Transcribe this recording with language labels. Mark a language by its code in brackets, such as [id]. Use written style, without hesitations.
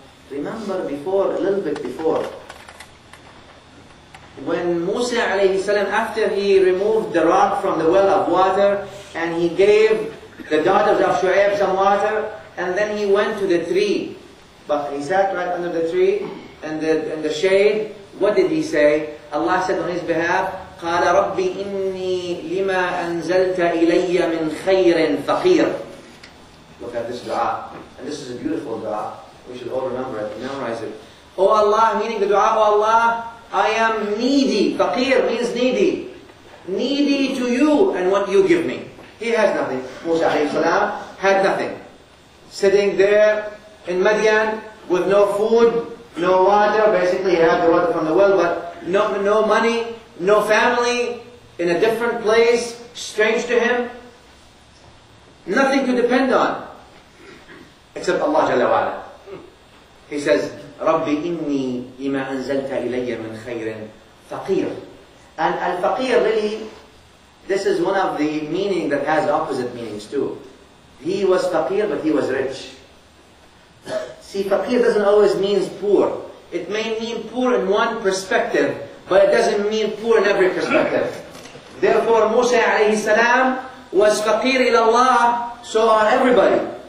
[en] Remember before, a little bit before, when Musa alayhi salam, after he removed the rock from the well of water, and he gave the daughters of Shu'aib some water, and then he went to the tree. But he sat right under the tree in the shade. What did he say? Allah said on his behalf, [ar] قَالَ رَبِّ إِنِّي لِمَا أَنزَلْتَ إِلَيَّ مِنْ خَيْرٍ فَقِيرٍ. [en] Look at this dua. And this is a beautiful dua. We should all remember it, memorize it. Oh Allah, meaning the dua, oh Allah, I am needy. Faqir means needy. Needy to you and what you give me. He has nothing. Musa alayhi salam had nothing. Sitting there in Madian with no food, no water. Basically he had the water from the well, but no money, no family, in a different place, strange to him. Nothing to depend on. Except Allah jalla wa ala. He says, [ar] رَبِّ إِنِّي لِمَا أَنزَلْتَ إِلَيَّ مِنْ خَيْرٍ فَقِيرٍ. [en] And al-faqir, really, This is one of the meaning that has opposite meanings too. He was faqir, but he was rich. See, faqir doesn't always mean poor. It may mean poor in one perspective, but it doesn't mean poor in every perspective. Therefore, Musa alayhi salam was faqir ila Allah, so are everybody.